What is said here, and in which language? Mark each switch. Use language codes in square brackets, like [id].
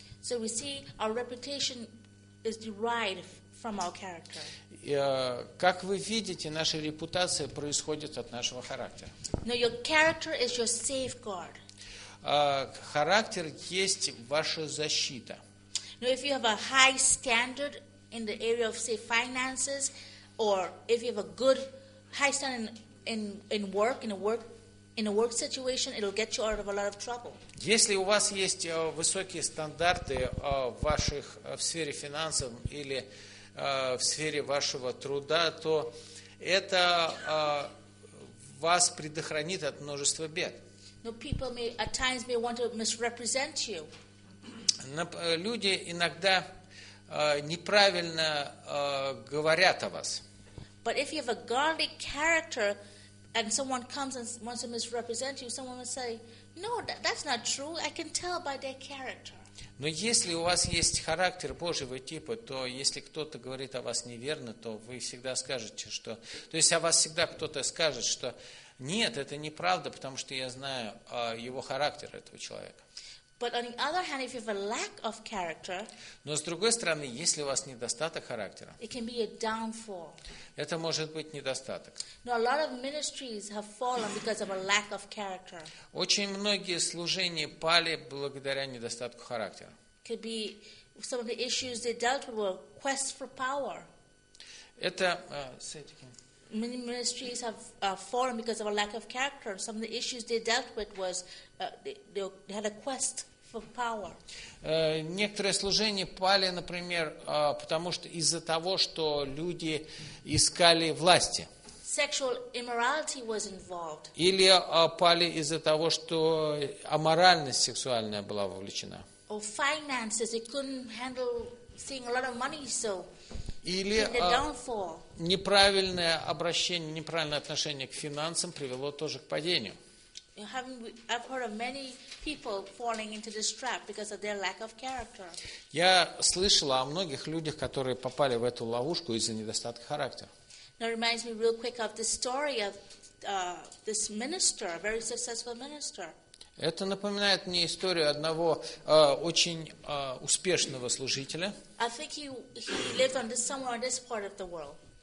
[en] So we see our reputation is derived from our character. [ru] Как вы видите, наша репутация происходит от нашего характера. [en] No, your character is your safeguard. [ru] Характер есть ваша защита. [en] No, if you have a high standard in the area of, say, finances, or if you have a good high standard in a work situation, it'll get you out of a lot of trouble. [ru] Если у вас есть высокие стандарты в ваших в сфере финансов или в сфере вашего труда, то это вас предохранит от множества бед. [en] No, people may at times may want to misrepresent you. [ru] Люди иногда неправильно говорят о вас. [en] But if you have a godly character and someone comes and wants to misrepresent you, someone will say, no, that's not true, I can tell by their character. [ru] Но если у вас есть характер Божьего типа, то если кто-то говорит о вас неверно, то вы всегда скажете, что... То есть о вас всегда кто-то скажет, что нет, это неправда, потому что я знаю его характер, этого человека. [en] But on the other hand, if you have a lack of character, [ru] но с другой стороны, если у вас недостаток характера, [en] it can be a downfall. [ru] Это может быть недостаток. [en] No, a lot of ministries have fallen because of a lack of character. [ru] Очень многие служения пали благодаря недостатку характера. [en] Could be some of the issues they dealt with were quest for power. [ru] Это, [en] say it again. Many ministries have fallen because of a lack of character. Some of the issues they dealt with was they had a quest for power. [ru] Некоторые служения пали, например, потому что из-за того, что люди искали власти. [en] Sexual immorality was involved. [ru] Или пали из-за того, что аморальность сексуальная была вовлечена. [en] Or finances, they couldn't handle seeing a lot of money, so. [ru] Или неправильное обращение, неправильное отношение к финансам привело тоже к падению. [en] I've heard of many people falling into this trap because of their lack of character. [ru] Я слышала о многих людях, которые попали в эту ловушку из-за недостатка характера. [en] Now it reminds me real quick of the story of this minister, a very successful minister. [ru] Это напоминает мне историю одного очень успешного служителя. [en] I think he lived on this, somewhere in this part of the world.